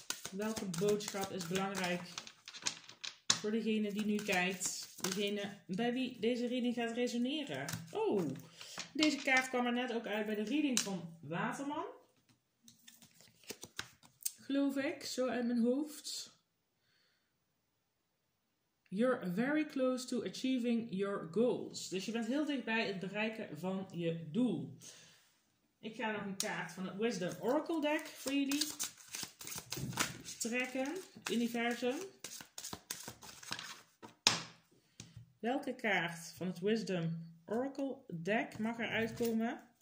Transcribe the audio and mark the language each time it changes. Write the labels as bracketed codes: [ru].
[nl] Welke boodschap is belangrijk voor degene die nu kijkt? Degene bij wie deze reading gaat resoneren. Oh, deze kaart kwam er net ook uit bij de reading van Waterman. Geloof ik, zo uit mijn hoofd. [en] You're very close to achieving your goals. [nl] Dus je bent heel dichtbij het bereiken van je doel. Ik ga nog een kaart van het Wisdom Oracle deck voor jullie trekken. Universum. Welke kaart van het Wisdom Oracle deck mag er uitkomen?